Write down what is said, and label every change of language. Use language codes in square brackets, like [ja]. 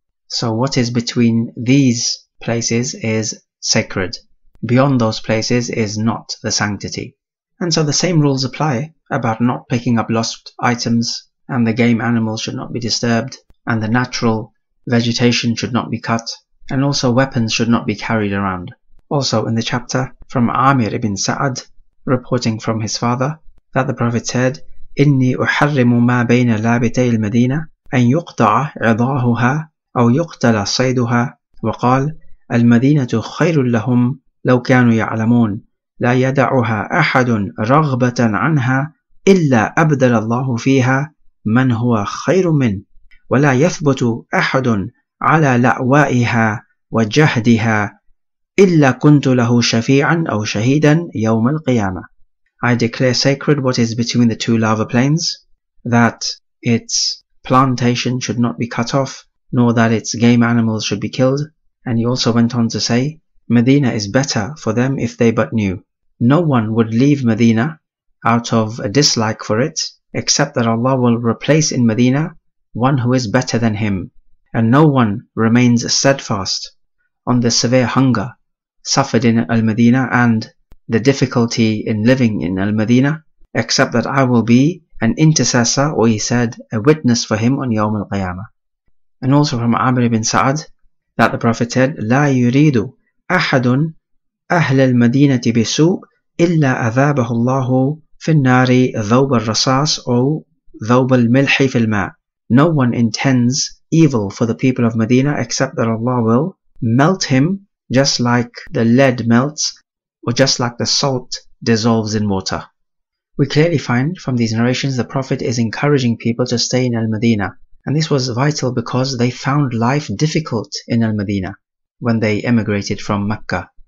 [en] So what is between these places is sacred. Beyond those places is not the sanctity. And so the same rules apply about not picking up lost items, and the game animals should not be disturbed, and the natural vegetation should not be cut. And also weapons should not be carried around. Also in the chapter, from Amir ibn Sa'ad, reporting from his father, that the Prophet said, [ar] إِنِّي أُحَرِّمُ مَا بَيْنَ لَابِتَيْ الْمَدِينَةِ أَنْ يُقْطَعَ عِضَاهُهَا أَوْ يُقْتَلَ صَيْدُهَا وَقَالَ الْمَدِينَةُ خَيْرٌ لَهُمْ لَوْ كَانُوا يَعْلَمُونَ لَا يَدَعُهَا أَحَدٌ رَغْبَةً عَنْهَا إِلَّا أَبْدَلَ اللَّهُ فِيهَا مَنْ هُوَ خَيْرٌ مِنْ وَلَا يَثْبُتُ أَحَدٌ على لأوائها وجهدها إلا كنت له شفيعا أو شهيدا يوم القيامة. [en] I declare sacred what is between the two lava plains, that its plantation should not be cut off, nor that its game animals should be killed. And he also went on to say, Medina is better for them if they but knew. No one would leave Medina out of a dislike for it, except that Allah will replace in Medina one who is better than him. And no one remains steadfast on the severe hunger suffered in Al-Madina and the difficulty in living in Al-Madina, except that I will be an intercessor, or he said, a witness for him on Yawm Al-Qiyamah. And also from Amr ibn Sa'ad, that the Prophet said, [ar] لا يريد أحد أهل المدينة بسوء إلا أذابه الله في النار ذوب الرصاص أو ذوب الملح في الماء. [en] No one intends evil for the people of Medina except that Allah will melt him just like the lead melts or just like the salt dissolves in water. We clearly find from these narrations the Prophet is encouraging people to stay in Al-Madina, and this was vital because they found life difficult in Al-Madina when they emigrated from Mecca.